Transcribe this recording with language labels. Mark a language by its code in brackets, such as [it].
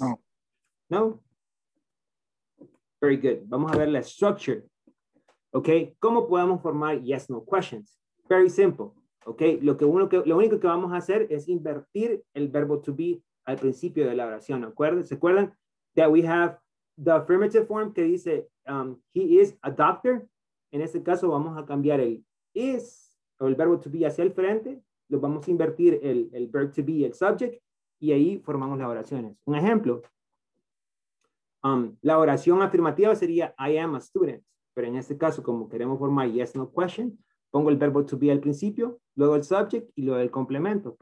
[en] No. No? Very good. [es] Vamos a ver la [en] structure. Okay. [es] ¿Cómo podemos formar [en] yes, no questions? Very simple. [es] Okay. Lo único que vamos a hacer es invertir el verbo to be al principio de la oración. ¿Se acuerdan? [en] That we have the affirmative form [es] que dice [en] he is a doctor. [es] En este caso vamos a cambiar el is o el verbo to be hacia el frente. Lo vamos a invertir el verb to be, el subject, y ahí formamos las oraciones. Un ejemplo, la oración afirmativa sería [en] I am a student, [es] pero en este caso, como queremos formar yes, no question, pongo el verbo to be al principio, luego el subject y luego el complemento.